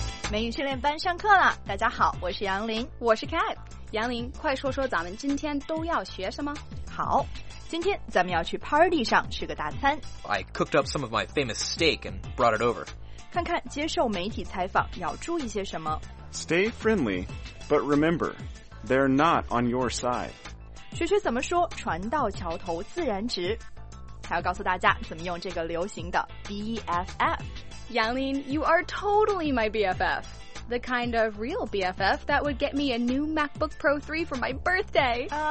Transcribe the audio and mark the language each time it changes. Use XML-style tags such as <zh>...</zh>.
<zh>美语训练班上课了，大家好，我是杨林，我是 Cat。杨林，快说说咱们今天都要学什么。好，今天咱们要去 party 上吃个大餐。</zh> <en>I cooked up some of my famous steak and brought it over.</en> <zh>看看接受媒体采访要注意些什么。</zh> <en>Stay friendly, but remember, they're not on your side.</en> <zh>学学怎么说船到桥头自然直，还要告诉大家怎么用这个流行的 BFF。</zh> <en>Yanglin, you are totally my BFF. The kind of real BFF that would get me a new MacBook Pro 3 for my birthday.</en>